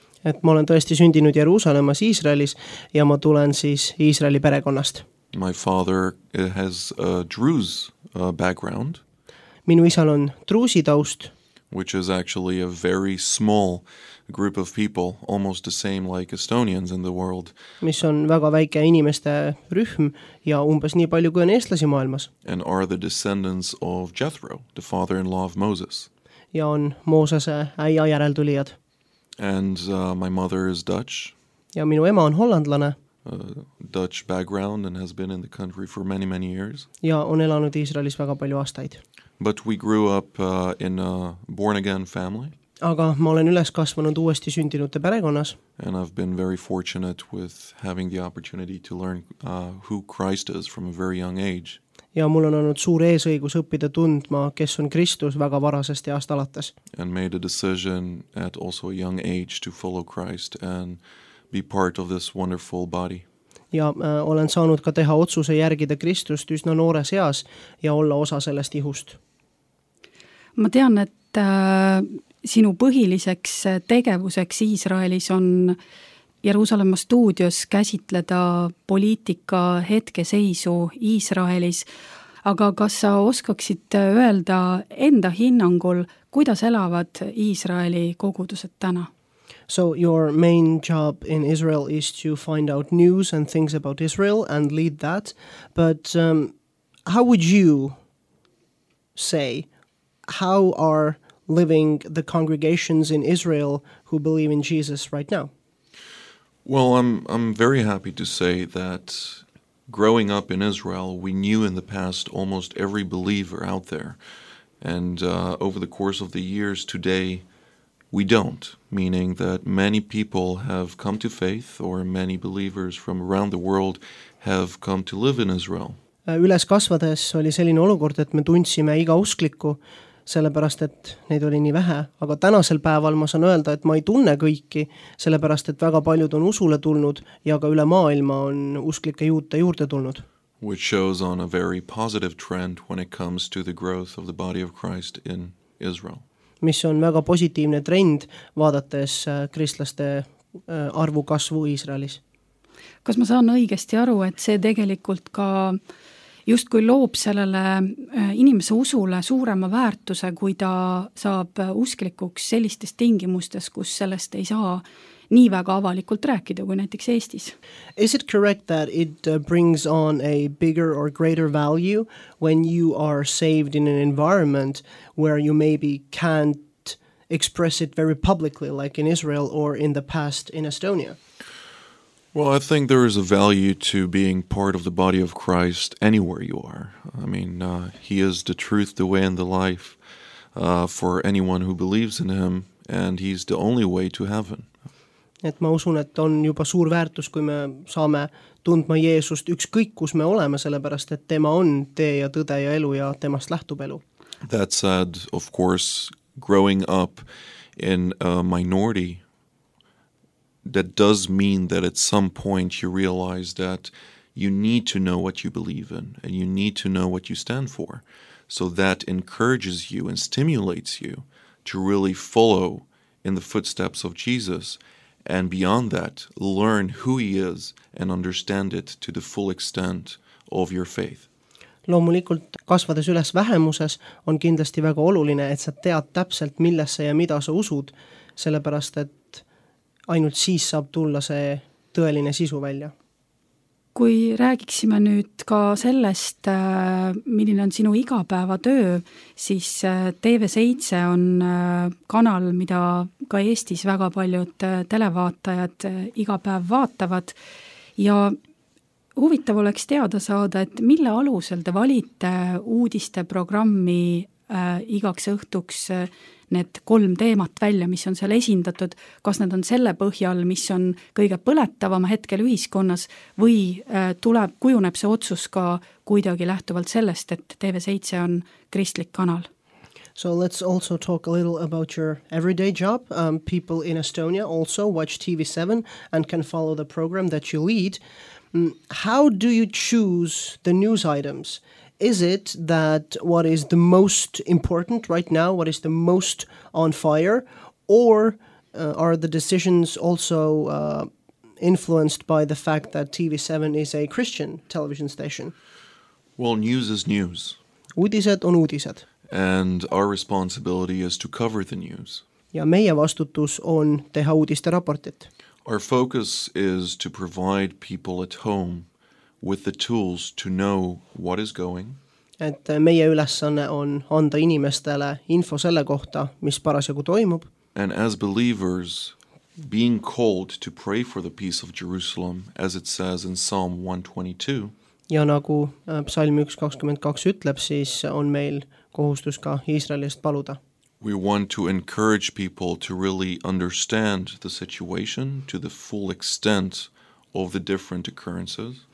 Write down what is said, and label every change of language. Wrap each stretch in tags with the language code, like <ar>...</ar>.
<et>Et ma olen tõesti sündinud Jerusalemas Iisraelis ja ma tulen siis Iisraeli perekonnast.</et> <en>My father has a Druze background.</en> <et>Minu isal on Druusi taust.</et> <en>Which is actually a very small group of people, almost the same like Estonians in the world.</en> <et>Mis on väga väike inimeste rühm ja umbes nii palju kui on eestlasi maailmas.</et> <en>And are the descendants of Jethro, the father-in-law of Moses.</en> <et>Ja on Moosese äia järeltulijad.</et> <en>And my mother is Dutch.</en> <et>Ja minu ema on hollandlane.</et> <en>Dutch background and has been in the country for many, many years.</en> <et>Ja on elanud Iisraelis väga palju aastaid.</et> <en>But we grew up in a born-again family.</en> <et>Aga ma olen üles kasvanud uuesti sündinute perekonnas.</et> <en>And I've been very fortunate with having the opportunity to learn who Christ is from a very young age.</en> <et>Ja mul on olnud suur eesõigus õppida tundma, kes on Kristus väga varasest ajast alates.</et> <en>And made a decision at also a young age to follow Christ and be part of this wonderful body.</en> <et>Ja olen saanud ka teha otsuse järgida Kristust üsna noore seas ja olla osa sellest ihust. Ma tean, et sinu põhiliseks tegevuseks Iisraelis on Jeruusalemma stuudios käsitleda poliitika hetkeseisu Iisraelis, aga kas sa oskaksid öelda enda hinnangul, kuidas elavad Iisraeli kogudused täna?</et> <en>So your main job in Israel is to find out news and things about Israel and lead that. But how would you say, how are living the congregations in Israel who believe in Jesus right now? Well, I'm very happy to say that growing up in Israel, we knew in the past almost every believer out there. And over the course of the years, today, we don't, meaning that many people have come to faith or many believers from around the world have come to live in Israel.</en> <et>Üles kasvades oli selline olukord, et me tundsime iga uskliku, sellepärast, et neid oli nii vähe. Aga tänasel päeval ma saan öelda, et ma ei tunne kõiki, sellepärast, et väga paljud on usule tulnud ja ka üle maailma on usklike juute juurde tulnud.</et> <en>Which shows on a very positive trend when it comes to the growth of the body of Christ in Israel.</en> <et>Mis on väga positiivne trend vaadates kristlaste arvu kasvu Iisraelis. Kas ma saan õigesti aru, et see tegelikult ka just kui loob sellele inimese usule suurema väärtuse, kui ta saab usklikuks sellistes tingimustes, kus sellest ei saa nii väga avalikult rääkida kui näiteks Eestis?</et> <en>Is it correct that it brings on a bigger or greater value when you are saved in an environment where you maybe can't express it very publicly like in Israel or in the past in Estonia? Well, I think there is a value to being part of the body of Christ anywhere you are. I mean, he is the truth, the way, and the life for anyone who believes in him, and he's the only way to heaven.</en> <et>Et ma usun, et on juba suur väärtus, kui me saame tundma Jeesust ükskõik, kus me oleme, sellepärast, et tema on tee ja tõde ja elu ja temast lähtub elu.</et> <en>That said, of course, growing up in a minority, that does mean that at some point you realize that you need to know what you believe in and you need to know what you stand for. So that encourages you and stimulates you to really follow in the footsteps of Jesus and beyond that, learn who he is and understand it to the full extent of your faith.</en> <et>Loomulikult kasvades üles vähemuses on kindlasti väga oluline, et sa tead täpselt, milles sa ja mida sa usud, sellepärast, et ainult siis saab tulla see tõeline sisu välja. Kui räägiksime nüüd ka sellest, milline on sinu igapäeva töö, siis TV7 on kanal, mida ka Eestis väga paljud televaatajad igapäev vaatavad. Ja huvitav oleks teada saada, et mille alusel te valite uudiste programmi igaks õhtuks need kolm teemat välja, mis on seal esindatud, kas need on selle põhjal, mis on kõige põletavama hetkel ühiskonnas või tuleb, kujuneb see otsus ka kuidagi lähtuvalt sellest, et TV7 on kristlik kanal.</et> <en>So let's also talk a little about your everyday job. People in Estonia also watch TV7 and can follow the program that you lead. How do you choose the news items? Is it that what is the most important right now, what is the most on fire, or are the decisions also influenced by the fact that TV7 is a Christian television station? Well, news is news.</en> <et>Uudised on uudised.</et> <en>And our responsibility is to cover the news.</en> <et>Ja meie vastutus on teha uudiste raportit.</et> <en>Our focus is to provide people at home with the tools to know what is going.</en> <et>Et meie ülesanne on anda inimestele info selle kohta, mis parasjagu toimub.</et> <en>And as believers, being called to pray for the peace of Jerusalem, as it says in Psalm 122.</en> <et>Ja nagu Psalm 122 ütleb, siis on meil kohustus ka Iisraelist paluda.</et> <en>We want to encourage people to really understand the situation to the full extent of the different occurrences.</en>